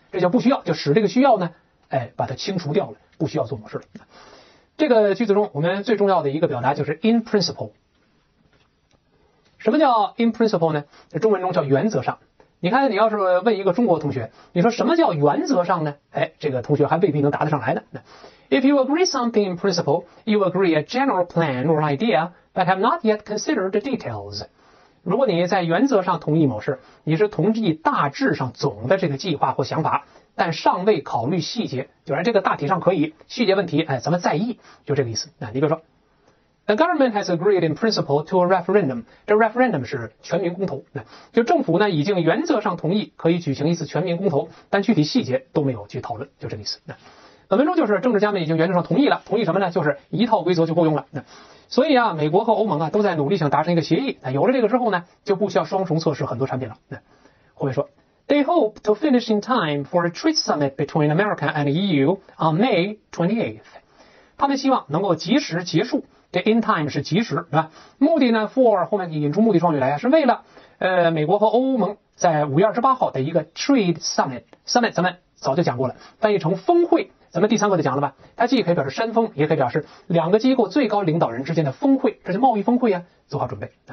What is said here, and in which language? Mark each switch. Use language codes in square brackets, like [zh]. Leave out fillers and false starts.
[zh] 这叫不需要，就使这个需要呢，哎，把它清除掉了，不需要做模式了。这个句子中我们最重要的一个表达就是 in principle。什么叫 in principle 呢？中文中叫原则上。你看你要是问一个中国同学，你说什么叫原则上呢？哎，这个同学还未必能答得上来呢。 [en] If you agree something in principle, you agree a general plan or idea, but have not yet considered the details. [zh] 如果你在原则上同意某事，你是同意大致上总的这个计划或想法，但尚未考虑细节，就是这个大体上可以，细节问题，哎，咱们在意，就这个意思。那你比如说 [en] ,The government has agreed in principle to a referendum. [zh] 这 referendum 是全民公投。就政府呢已经原则上同意可以举行一次全民公投，但具体细节都没有去讨论，就这个意思。本文中就是政治家们已经原则上同意了，同意什么呢？就是一套规则就够用了。所以啊，美国和欧盟啊都在努力想达成一个协议。有了这个之后呢，就不需要双重测试很多产品了。后面说 [en] ，They hope to finish in time for a trade summit between America and EU on May 28th。 [zh] 他们希望能够及时结束。这 in time 是及时，是吧？目的呢 ，for 后面引出目的状语来啊，是为了美国和欧盟在5月28号的一个 trade summit。 summit 咱们早就讲过了，翻译成峰会。咱们第三课就讲了吧，它既可以表示山峰，也可以表示两个机构最高领导人之间的峰会，这是贸易峰会啊，做好准备。